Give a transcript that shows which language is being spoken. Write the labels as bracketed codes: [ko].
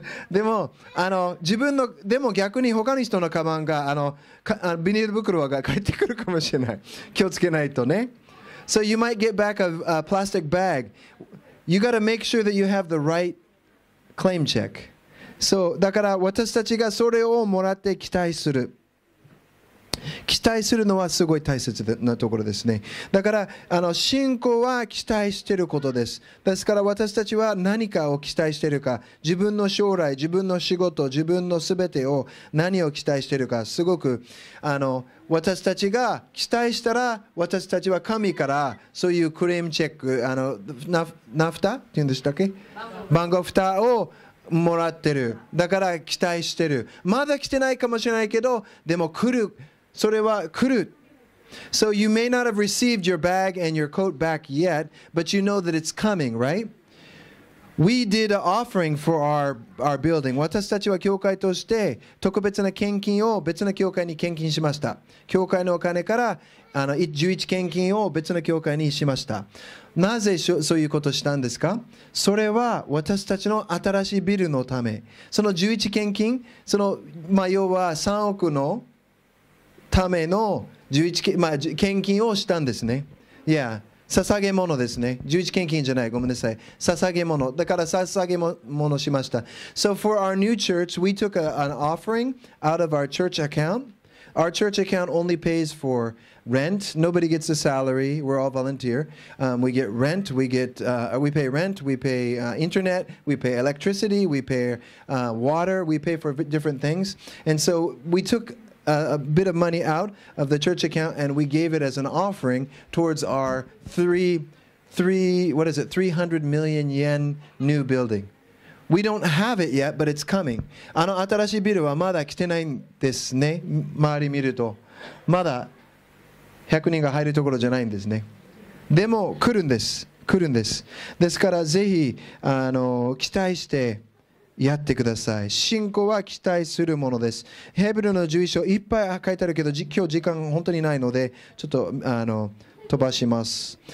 [ja] でも自分の、でも逆に他の人のカバンがビニール袋が返ってくるかもしれない。気をつけないとね。 [en] So you might get back a plastic bag. You got to make sure that you have the right claim check. [ja] So, だから私たちがそれをもらって期待する。期待するのはすごい大切なところですね。だから信仰は期待していることです。ですから私たちは何かを期待しているか、自分の将来、自分の仕事、自分のすべてを何を期待しているか、すごく私たちが期待したら、私たちは神からそういうクレームチェック、ナフタって言うんでしたっけ？番号蓋をもらってる。だから期待してる。まだ来てないかもしれないけど、でも来る。それは来る。 [en] So you may not have received your bag and your coat back yet, but you know that it's coming, right? We did an offering for our building. [ja] 私たちは教会として特別な献金を別の教会に献金しました。教会のお金から11献金を別の教会にしました。なぜそういうことをしたんですか？それは私たちの新しいビルのため。その11献金、その、まあ、要は3億のための11、まあ、献金をしたんですね。いや、捧げ物ですね。 11献金じゃない、ごめんなさい。捧げ物。だから捧げ物しました。 [en] So for our new church, we took an offering out of our church account. Our church account only pays for rent. Nobody gets a salary. We're all volunteer. We get rent. We pay rent. We pay internet. We pay electricity. We pay water. We pay for different things. And so we took a bit of money out of the church account and we gave it as an offering towards our ¥300 million new building. We don't have it yet, but it's coming. [ja] あの新しいビルはまだ来てないんですね。周り見ると。まだ100人が入るところじゃないんですね。でも来るんです。来るんです。ですからぜひ期待してやってください。信仰は期待するものです。ヘブルの11章いっぱい書いてあるけど、今日時間本当にないので、ちょっと飛ばします。